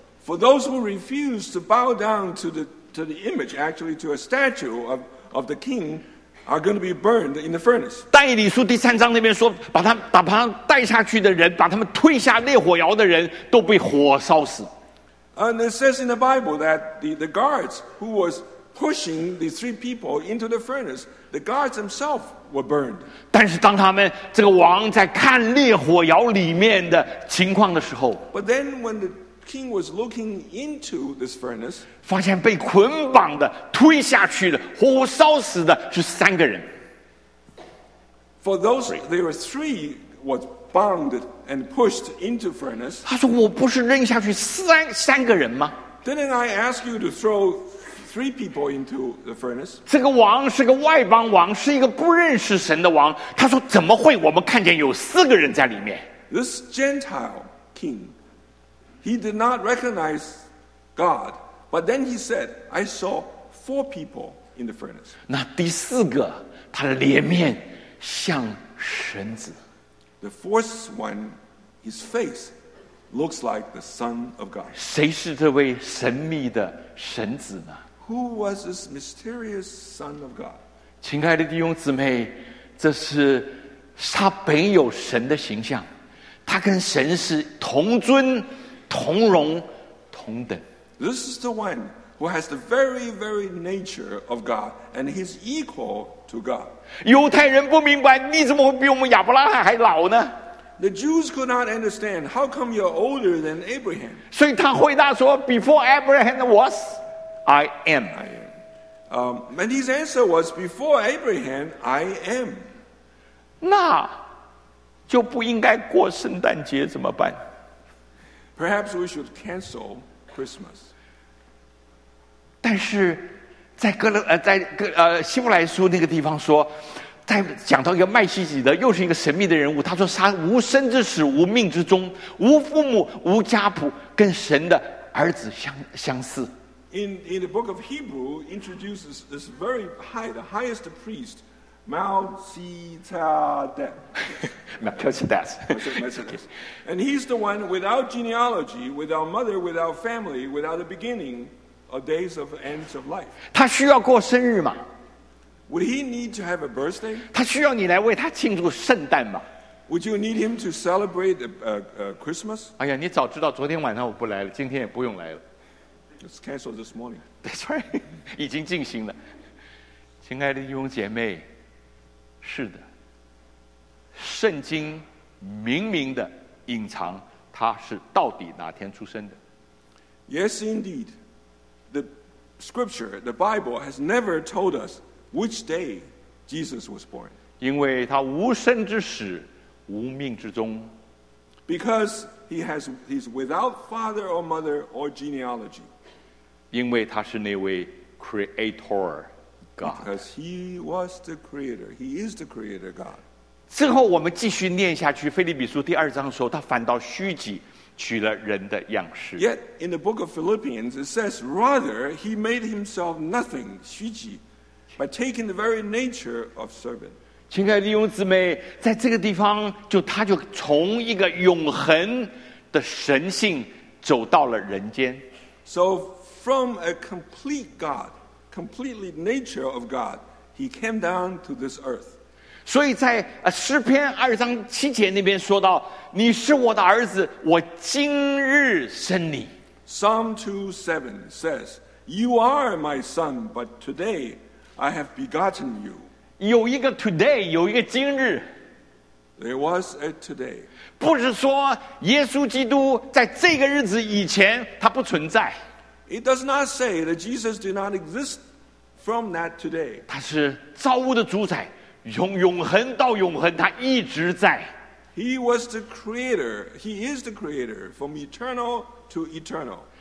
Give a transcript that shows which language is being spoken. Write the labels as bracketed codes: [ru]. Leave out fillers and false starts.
[en] For those who refuse to bow down to the image, actually to a statue of the king, are going to be burned in the furnace. [zh] 但以理书第三章那边说，把他带下去的人，把他们推下烈火窑的人，都被火烧死。 [en] And it says in the Bible that the guards who was pushing the three people into the furnace, the guards themselves were burned. [zh] 但是当他们这个王在看烈火窑里面的情况的时候 [en] ，But then when the king was looking into this furnace, [zh] 发现被捆绑的、推下去的、活活烧死的是三个人。 [en] For those, there were three was bound and pushed into furnace. [zh] 他说：“我不是扔下去三个人吗 [en] ？”Didn't I ask you to throw three people into the furnace? [zh] 这个王是个外邦王，是一个不认识神的王。他说：“怎么会？我们看见有四个人在里面。 [en] ”This Gentile king. He did not recognize God, but then he said, "I saw four people in the furnace." [zh] 那第四个，他的脸面像神子。 [en] The fourth one, his face looks like the Son of God. [zh] 谁是这位神秘的神子呢 [en] ？Who was this mysterious Son of God? [zh] 亲爱的弟兄姊妹，这是他本有神的形象，他跟神是同尊。同荣同等。 [en] This is the one who has the very, very nature of God, and he's equal to God. [zh] 犹太人不明白，你怎么会比我们亚伯拉罕还老呢 [en] ？The Jews could not understand how come you're older than Abraham. [zh] 所以他回答说 [en] ，Before Abraham was, I am. I am. And his answer was, Before Abraham, I am. [zh] 那就不应该过圣诞节怎么办？ [en] Perhaps we should cancel Christmas. [zh] 但是在哥勒在哥希伯来书那个地方说，在讲到一个麦西底德，又是一个神秘的人物。他说他无生之始，无命之中，无父母，无家谱，跟神的儿子相似。 [en] In the book of Hebrew introduces this very high, the highest priest, Melchizedek. Melchizedek. And he's the one without genealogy, without mother, without family, without a beginning of days of ends of life. [zh] 他需要过生日吗 [en] Would he need to have a birthday? [zh] 他需要你来为他庆祝圣诞吗 [en] Would you need him to celebrate Christmas? [zh] 哎呀，你早知道昨天晚上我不来了，今天也不用来了。 [en] It's canceled this morning. That's right. [zh] 已经进行了。亲爱的弟兄姐妹。是的，圣经明明的隐藏他是到底哪天出生的。 [en] Yes, indeed, the scripture, the Bible has never told us which day Jesus was born. [zh] 因为他无生之始，无命之中。 [en] Because he's without father or mother or genealogy. [zh] 因为他是那位 Creator. [en] God. Because he was the creator. He is the creator God. [zh] 之后我们继续念下去腓立比书第二章的时候他反倒虚己取了人的样式。 [en] Yet in the book of Philippians it says rather he made himself nothing, 虚己, by taking the very nature of servant. [zh] 亲爱的弟兄姊妹在这个地方就他就从一个永恒的神性走到了人间。 [en] So from a complete God,completely nature of God, he came down to this earth. [zh] 所以在诗篇二章七节那边说到，你是我的儿子，我今日生你。 [en] Psalm 2:7 says, "You are my son, but today I have begotten you." [zh] 有一个 today， 有一个今日。 [en] There was a today. [zh] 不是说耶稣基督在这个日子以前他不存在。 [en] It does not say that Jesus did not exist from that today. [zh] 他是造物的主宰，永恒到永恒，他一直在。 [en] He was the creator. He is the creator from eternal to eternal.